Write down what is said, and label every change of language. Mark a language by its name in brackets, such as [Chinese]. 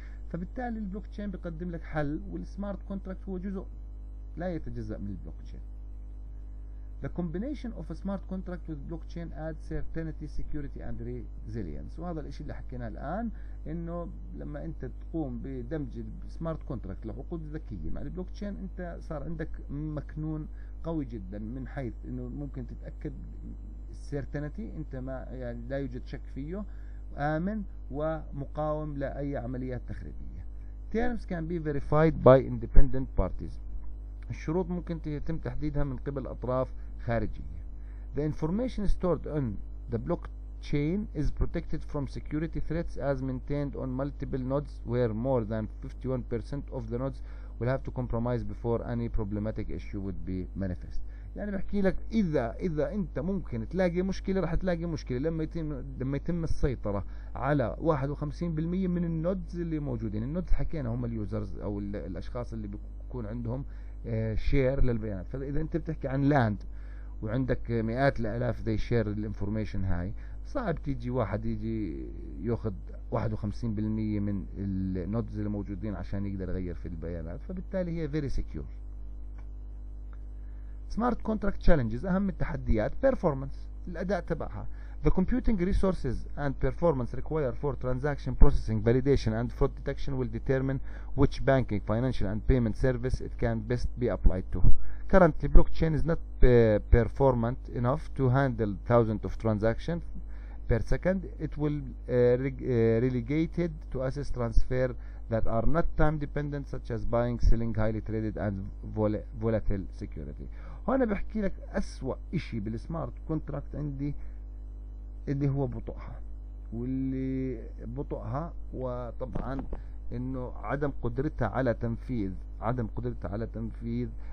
[Arabic] فبالتالي البلوك تشين بيقدم لك حل, والسمارت كونتراكت هو جزء لا يتجزأ من البلوك تشين. [English] The combination of a smart contract with blockchain adds certainty, security and resilience. [Arabic] وهذا الاشي اللي حكيناه الآن, انه لما انت تقوم بدمج السمارت كونتراكت لعقود ذكية مع البلوك تشين, انت صار عندك مكنون قوي جدا من حيث انه ممكن تتأكد certainty, انت ما يعني لا يوجد شك فيه, آمن ومقاوم لأي عمليات تخريبية. [English] Terms can be verified by independent parties. [Arabic] الشروط ممكن يتم تحديدها من قبل أطراف خارجية. [English] The information stored on the blockchain is protected from security threats as maintained on multiple nodes where more than 51% of the nodes will have to compromise before any problematic issue would be manifest. [Arabic] يعني بحكي لك إذا أنت ممكن تلاقي مشكلة, راح تلاقي مشكلة لما يتم السيطرة على 51% من النودز اللي موجودين. النودز حكينا هم اليوزرز أو الأشخاص اللي بيكون عندهم شير للبيانات. فإذا أنت بتحكي عن لاند وعندك مئات الآلاف ذي شير الانفورميشن, هاي صعب تيجي واحد يجي يأخذ 51% من النودز الموجودين عشان يقدر يغير في البيانات. فبالتالي هي [English] very secure. Smart contract challenges, [Arabic] أهم التحديات, [English] performance, [Arabic] الأداء تبعها. [English] The computing resources and performance required for transaction processing, validation and fraud detection will determine which banking, financial and payment service it can best be applied to. Currently, blockchain is not performant enough to handle thousands of transactions per second. It will relegated to assets transfer that are not time dependent, such as buying, selling, highly traded and volatile security. [Arabic] هنا بحكي لك أسوأ إشي بالسمارت كونتراكت عندي اللي هو بطئها, واللي بطئها وطبعا إنه عدم قدرتها على تنفيذ